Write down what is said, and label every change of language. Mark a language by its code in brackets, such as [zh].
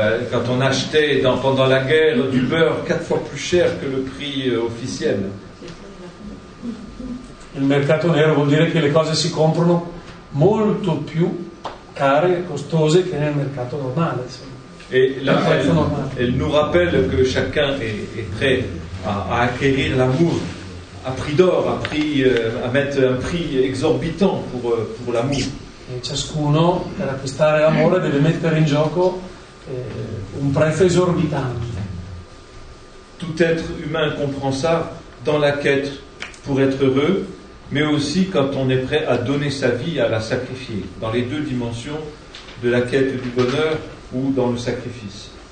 [fr] Quand on achetait pendant la guerre du beurre 4 fois plus cher que le prix officiel. [it] Il mercato nero vuol dire che le cose si comprano molto più care e costose che nel mercato normale. Sì. [fr] Et là, elle nous rappelle que chacun est prêt à acquérir l'amour à prix d'or, à mettre un prix exorbitant pour l'amour. [it] Et ciascuno per acquistare l'amore deve mettere in gioco un prezzo esorbitante. [fr] Tout être humain comprend ça dans la quête pour être heureux, mais aussi quand on est prêt à donner sa vie, à la sacrifier. Dans les deux dimensions de la quête du bonheur ou dans le sacrifice.